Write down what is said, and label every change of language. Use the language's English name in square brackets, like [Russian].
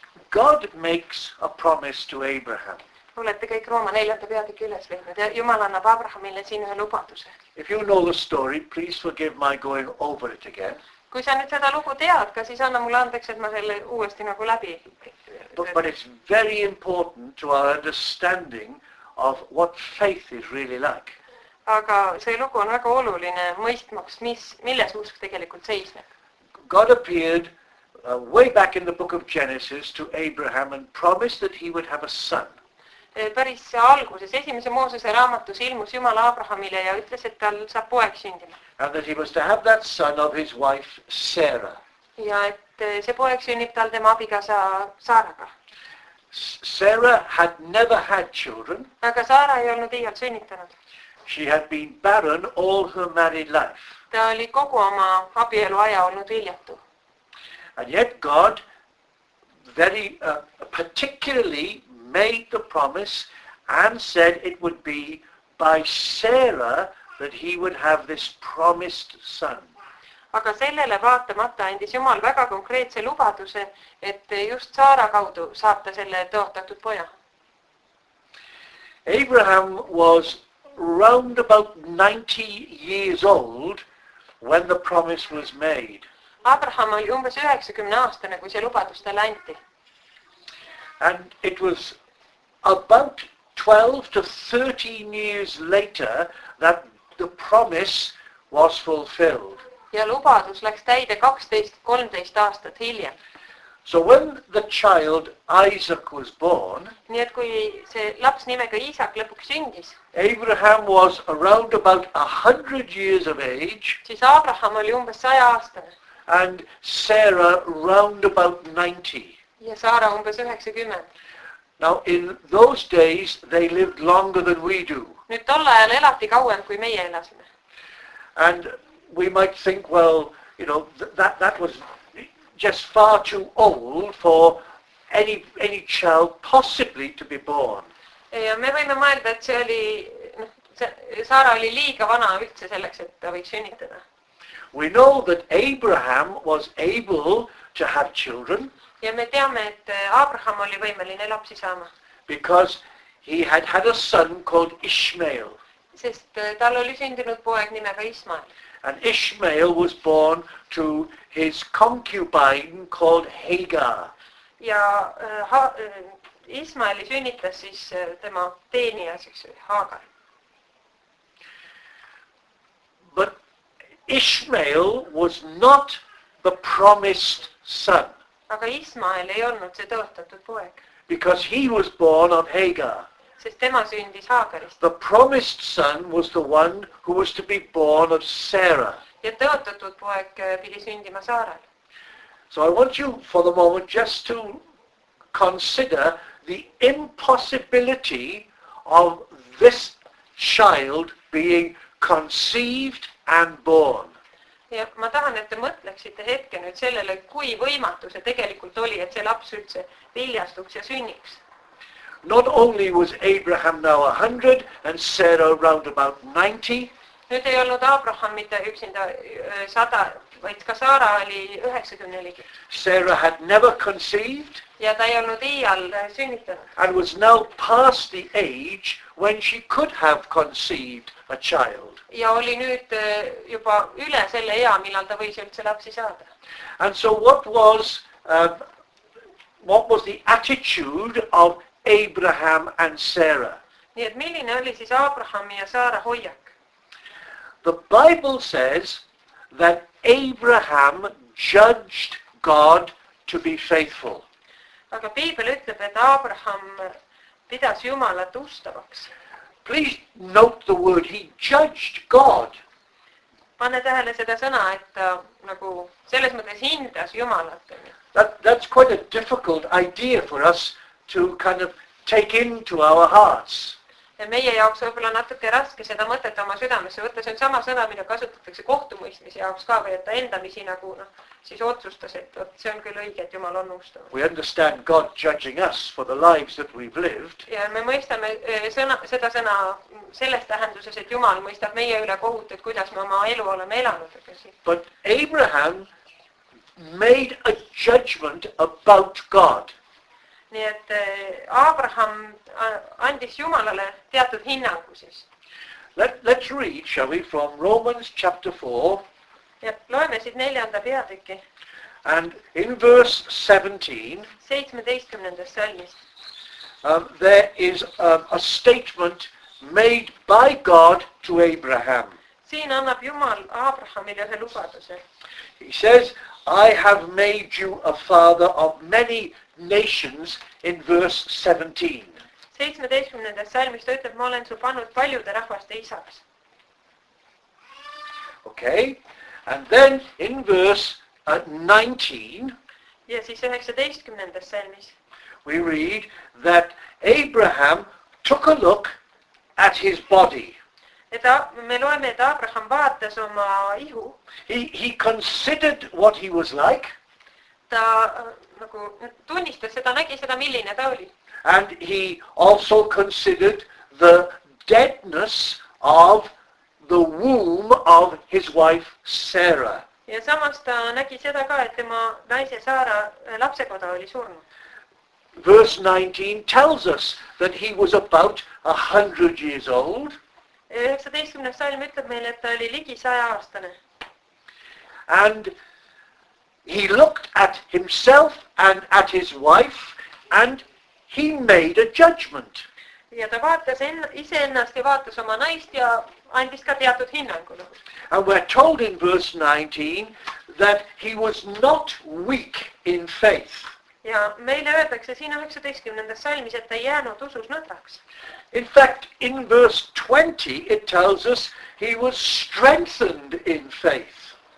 [English] God makes a promise to Abraham. If you know the story, please forgive my going over it again. [Estonian] Kui sa nüüd seda lugu tead, ka siis anna mulle andeks, et ma selle uuesti nagu läbi. [English] But it's very important to our understanding of what faith is really like. [Estonian] Aga see lugu on väga oluline mõistmaks, milles usk tegelikult seisneb. [English] God appeared way back in the book of Genesis to Abraham and promised that he would have a son. [Estonian] Päris alguses, esimese Moosese raamatus ilmus Jumala Abrahamile ja ütles, et tal saab poeg sündima. [English] And that he was to have that son of his wife Sarah. [Estonian] Ja et see poeg sünnib tal tema abikasa Saaraga. [English] Sarah had never had children. [Estonian] Aga Saara ei olnud iial sünnitanud. [English] She had been barren all her married life. [Estonian] Ta oli kogu oma abielu aja olnud viljatu. [English] And yet God very particularly made the promise and said it would be by Sarah that he would have this promised son. [Estonian] Aga sellele vaatamata andis Jumal väga konkreetse lubaduse, et just Saara kaudu saata selle tõotatud poja. [English] Abraham was round about 90 years old when the promise was made. [Estonian] Abraham oli umbes 90 aastane, kui see lubadus talle anti. [English] And it was about 12 to 13 years later that the promise was fulfilled. [Estonian] Ja lubadus läks täide 12-13 aastat hiljem. [English] So when the child Isaac was born, [Estonian] nii et kui see laps nimega Isaac lõpuks sündis, [English] Abraham was around about 100 years of age, [Estonian] siis Abraham oli umbes 100 aastane, [English] and Sarah round about 90. [Estonian] Ja Saara umbes 90. [English] Now in those days they lived longer than we do. [Estonian] Nüüd tolla ajal elati kauem kui meie elasime. [English] And we might think, well, you know, that was just far too old for any child possibly to be born. [Estonian] Ja me võime mõelda, et see oli, Saara oli liiga vana üldse selleks, et ta võiks sünnitada. [English] We know that Abraham was able to have children. [Estonian] Ja me teame, et Abraham oli võimeline lapsi saama. [English] Because he had had a son called Ishmael. [Estonian] Sest tal oli sündinud poeg nimega Ismael. [English] And Ishmael was born to his concubine called Hagar. [Estonian] Ja Ismaeli sünnitas siis tema teenija, siis Hagar. [English] But Ishmael was not the promised son. [Estonian] Aga Ismael ei olnud see tõotatud poeg. [English] Because he was born of Hagar. [Estonian] Sest tema sündis Haagarist. [English] The promised son was the one who was to be born of Sarah. [Estonian] Ja tõotatud poeg pidi sündima Saaral. [English] So I want you for the moment just to consider the impossibility of this child being conceived and born. [Estonian] Ja ma tahan, et te mõtleksite hetke nüüd sellele, kui võimatu see tegelikult oli, et see laps üldse viljastuks ja sünniks. [English] Not only was Abraham now 100 and Sarah around about 90. [Estonian] Nüüd ei olnud Abraham mitte üksinda 100, vaid ka Saara oli 90. [English] Sarah had never conceived. [Estonian] Ja ta ei olnud iial sünnitanud. [English] And was now past the age when she could have conceived a child. [Estonian] Ja oli nüüd juba üle selle ea, millal ta võis üldse lapsi saada. [English] And so what was the attitude of Abraham and Sarah? [Estonian] Nii et milline oli siis Abraham ja Saara hoiak? [English] The Bible says that Abraham judged God to be faithful. [Estonian] Aga Piibel ütleb, et Abraham pidas Jumalat ustavaks. [English] Please note the word, he judged God. [Estonian] Pane tähele seda sõna, et ta nagu selles mõttes hindas Jumalat. [English] That's quite a difficult idea for us to kind of take into our hearts. [Estonian] meie jaoks võib-olla natuke raske seda mõtet oma südamesse võtta. See on sama sõna, mida kasutatakse kohtumõistmise jaoks ka või et ta enda misi nagu no, siis otsustas, et võt, see on küll õige, et Jumal on unustanud. [English] We understand God judging us for the lives that we've lived. [Estonian] Ja me mõistame seda sõna selles tähenduses, et Jumal mõistab meie üle kohut, et kuidas me oma elu oleme elanud. [English] But Abraham made a judgment about God. [Estonian] Nii et Abraham andis Jumalale teatud hinnangu siis. [English] Let's read, shall we, from Romans chapter 4. [Estonian] Ja loeme siit neljanda peatükki. [English] And in verse 17. [Estonian] 17. salmis. [English] There is a statement made by God to Abraham. [Estonian] Siin annab Jumal Abrahamile ühe lubaduse. [English] He says, I have made you a father of many nations in verse 17. [Estonian] 17. salmis ütleb, ma olen su pannud paljude rahvaste isaks. [English] Okay, and then in verse 19. [Estonian] Ja siis 19. salmis. [English] We read that Abraham took a look at his body. [Estonian] Me loeme, et Abraham vaatas oma ihu. [English] He considered what he was like. [Estonian] Ta nagu tunnistas seda, nägi seda, milline ta oli. [English] And he also considered the deadness of the womb of his wife Sarah. [Estonian] Ja samas ta nägi seda ka, et tema naise Saara lapsekoda oli surnud. [English] Verse 19 tells us that he was about 100 years old. [Estonian] 19. salm ütleb meile, et ta oli ligi 100 aastane. [English] And he looked at himself and at his wife and he made a judgment. [Estonian] Ja ta vaatas ise ennast ja vaatas oma naist ja andis ka teatud hinnangul. [English] And we're told in verse 19 that he was not weak in faith. [Estonian] Ja meile öeldakse siin 19. salmis, et ta ei jäänud usus nõtraks. [English] In fact, in verse 20, it tells us he was strengthened in faith.